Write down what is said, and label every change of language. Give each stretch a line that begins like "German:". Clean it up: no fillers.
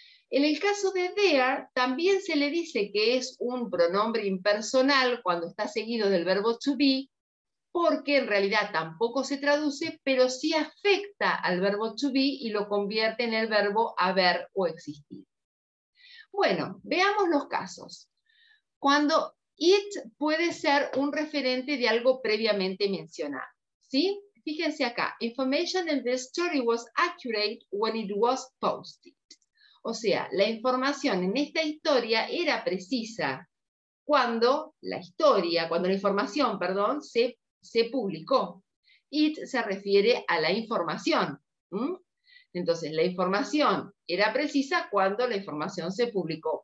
Spanish: En el caso de there, también se le dice que es un pronombre impersonal cuando está seguido del verbo to be, porque en realidad tampoco se traduce, pero sí afecta al verbo to be y lo convierte en el verbo haber o existir. Bueno, veamos los casos. Cuando it puede ser un referente de algo previamente mencionado. ¿Sí? Fíjense acá,
English: information in this story was accurate when it was posted.
Spanish: O sea, la información en esta historia era precisa cuando la información, perdón, se publicó. It se refiere a la información. Entonces, la información era precisa cuando la información se publicó.